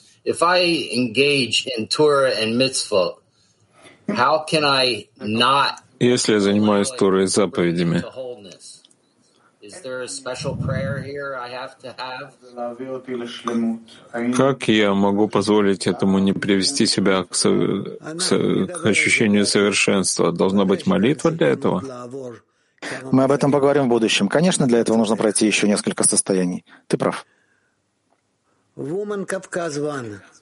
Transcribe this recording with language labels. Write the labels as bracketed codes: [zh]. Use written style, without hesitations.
[en] If I engage in Torah and mitzvot, how can I not? [ru] Если я занимаюсь Торой и заповедями, [en] is there a special prayer here I have to have? [ru] Как я могу позволить этому не привести себя к ощущению совершенства? Должна быть молитва для этого? Мы об этом поговорим в будущем. Конечно, для этого нужно пройти еще несколько состояний. Ты прав. Woman Kavkaz 1.